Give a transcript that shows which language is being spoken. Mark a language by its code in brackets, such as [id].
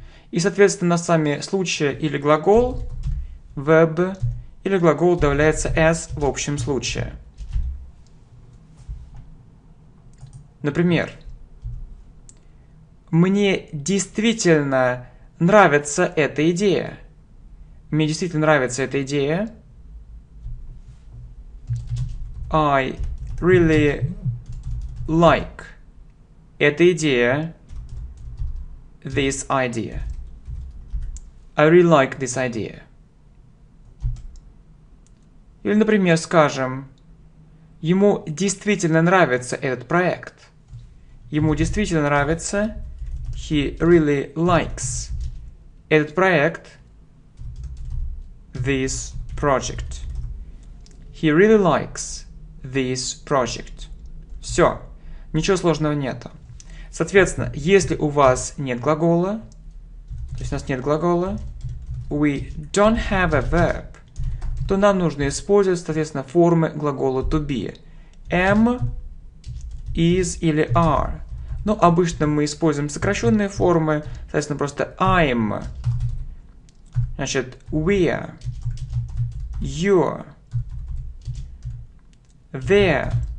[ru] И, соответственно, у нас с вами случай или глагол verb, или глагол добавляется s в общем случае. Например, мне действительно нравится эта идея. Мне действительно нравится эта идея. [en] I really like [ru] эта идея, [en] this idea. I really like this idea. [ru] Или, например, скажем, ему действительно нравится этот проект. Ему действительно нравится, [en] he really likes [ru] этот проект, [en] this project. He really likes this project. [ru] Все. Ничего сложного нету. Соответственно, если у вас нет глагола, то есть у нас нет глагола, [en] we don't have a verb, [ru] то нам нужно использовать, соответственно, формы глагола to be. Am, is или are. Но обычно мы используем сокращенные формы, соответственно, просто I'm. Значит, we're, you're, there.